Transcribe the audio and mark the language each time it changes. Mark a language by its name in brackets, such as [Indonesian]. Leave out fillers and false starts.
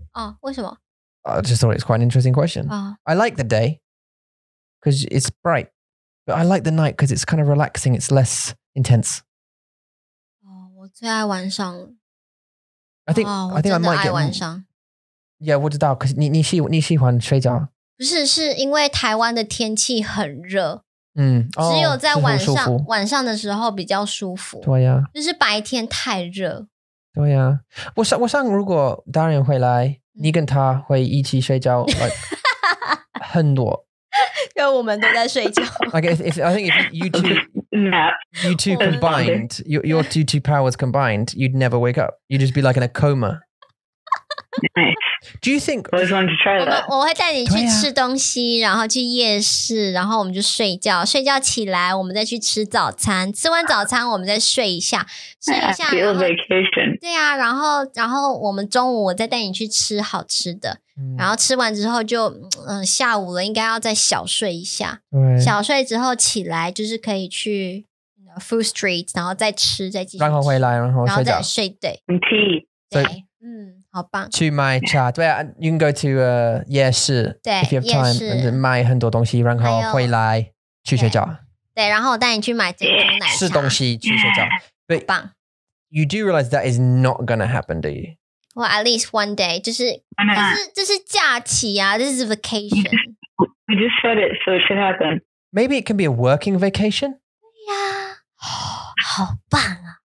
[Chinese] 哦、oh, 为什么 [English] I just thought it's quite an interesting question.、 Oh. I like the day because it's bright. But I like the night because it's kind of relaxing. It's less intense. [Chinese] 哦、oh, 我最爱晚上。 [English] I think,、oh, I, think I might get [Chinese] one. 我真的爱晚上。 Yeah, 我知道 because 你喜欢睡觉。不是是因为台湾的天气很热。嗯、oh, 只有在晚上的时候比较舒服。对啊。就是白天太热。对呀、啊，我想如果 Darian 回来、嗯，你跟他会一起睡觉、like, 很多，因为我们都在睡觉。 [English] Like if I think if you two nap, you two combined, your two powers combined, you'd never wake up. You'd just be like in a coma. Nice. Do you think? I just wanted to try that. [Chinese] 我会带你去吃东西、啊，然后去夜市，然后我们就睡觉。睡觉起来，我们再去吃早餐。吃完早餐，我们再睡一下，睡一下。 [English] Feel vacation. [Chinese] 对啊，然后我们中午我再带你去吃好吃的。嗯、然后吃完之后就下午了，应该要再小睡一下。对小睡之后起来，就是可以去 food street， 然后再吃，再继续吃。然后回来，然后睡觉。然后再睡，对。 [English] And tea. [Chinese] 对。嗯，好棒。 [English] To my chat, yeah, you can go to 夜市 if you have time, and then [Chinese] 买很多东西，然后回来去睡觉。对，然后我带你去买珍珠奶茶。吃东西去睡觉，好棒。 [English] You do realize that is not gonna happen, do you? Well, at least one day, [Chinese] 就是这是假期啊 [English] this is vacation. You just said it, so it should happen. Maybe it can be a working vacation. [Chinese] Yeah, 好棒啊。